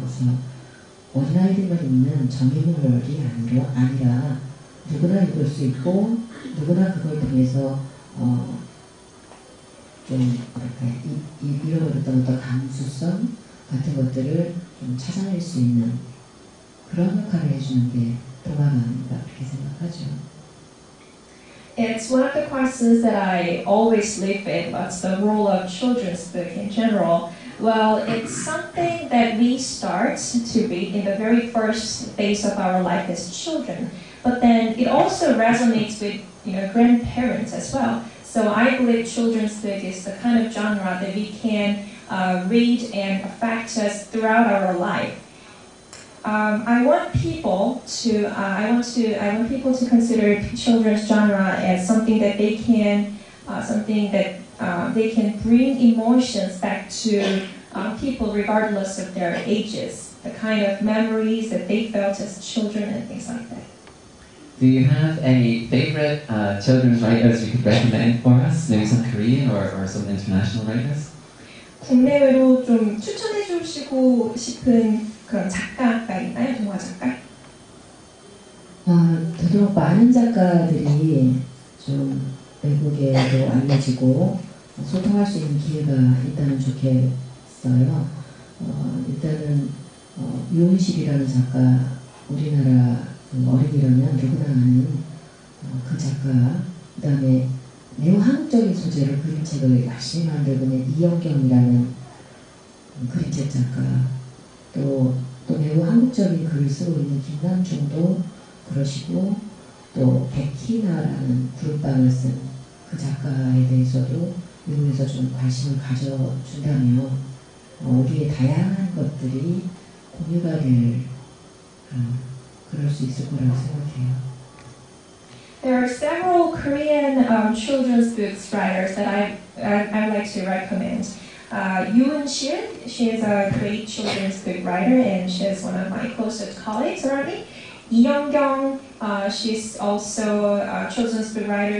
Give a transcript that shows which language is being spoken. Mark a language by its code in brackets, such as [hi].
[ko] 그래서 어린아이들만 읽는 정의물이 아니라 누구나 읽을 수 있고 누구나 그걸 통해서 좀 이렇게 잃어버렸던 어떤 감수성 같은 것들을 좀 찾아낼 수 있는 그런 역할을 해주는 게 동화가 아닌가 그렇게 생각하죠. [en] It's one of the questions that I always live with. What's the role of children's book in general? Well, it's something that we start to read in the very first phase of our life as children. But then it also resonates with, you know, grandparents as well. So I believe children's book is the kind of genre that we can read and affect us throughout our life. I want people to consider children's genre as something that they can, they can bring emotions back to people regardless of their ages, the kind of memories that they felt as children and things like that. Do you have any favorite children's writers you could recommend for us? Maybe some Korean or some international writers? [ko] 국내외로 좀 추천해 주시고 싶은 그런 작가가 있나요, 동화 작가? 되도록 많은 작가들이 좀 외국에도 알려지고 소통할 수 있는 기회가 있다면 좋겠어요. 일단은 유은식이라는 작가, 우리나라 어린이라면 누구나 아는 그 작가, 그 다음에 매우 한국적인 소재로 그림책을 열심히 만들고 있는 이영경이라는 그림책 작가, 또 매우 한국적인 글을 쓰고 있는 김남중도 그러시고, 또 백희나라는 구름방을 쓴 그 작가에 대해서도 일본에서 좀 관심을 가져준다면 우리의 다양한 것들이 공유가 될 그럴 수 있을 거라고 생각해요. [en] There are several Korean children's books writers that I'd like to recommend. Yoon Shin, she is a great children's book writer and she is one of my closest colleagues already. Lee Young-kyung, she's also a children's book writer.